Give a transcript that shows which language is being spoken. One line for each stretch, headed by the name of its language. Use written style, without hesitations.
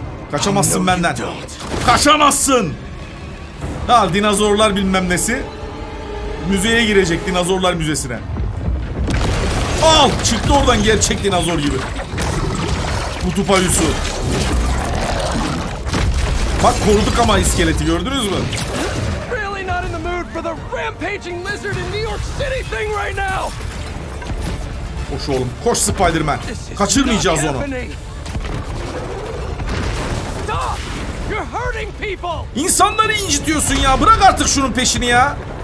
Turkish: Kaçamazsın benden. Kaçamazsın! Ha dinozorlar bilmem nesi. Müzeye girecek, dinozorlar müzesine. Al! Çıktı oradan gerçek dinozor gibi. Kutup ayısı. Bak koruduk ama iskeleti, gördünüz mü?
English: Really not in the mood for the rampaging lizard in New York City thing right now.
Turkish: Koş oğlum, koş Spider-Man. Kaçırmayacağız onu.
English: Stop! You're hurting people.
Turkish: İnsanları incitiyorsun ya. Bırak artık şunun peşini ya.